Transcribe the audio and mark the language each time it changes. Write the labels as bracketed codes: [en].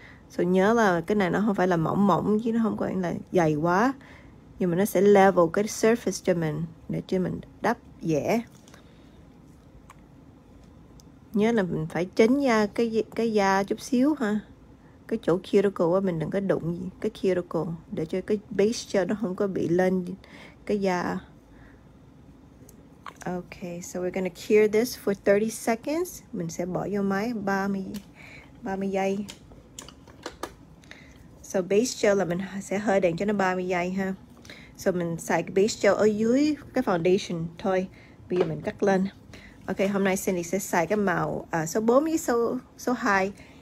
[vi] So nhớ là cái này nó không phải là mỏng mỏng chứ nó không có là dày quá, nhưng mà nó sẽ level cái surface cho mình để cho mình đắp dễ. Nhớ là mình phải chỉnh da cái da chút xíu ha. Cái chỗ cuticle á, mình đừng có đụng cái cuticle để cho cái base cho nó không có bị lên cái da. [en] Ok, so we're gonna cure this for 30 seconds. [vi] Mình sẽ bỏ vô máy 30 giây. So base gel là mình sẽ hơi đèn cho nó 30 giây ha. So mình xài cái base gel ở dưới cái foundation thôi. Bây giờ mình cắt lên. Ok, hôm nay Cindy sẽ xài cái màu số 4 với số 2.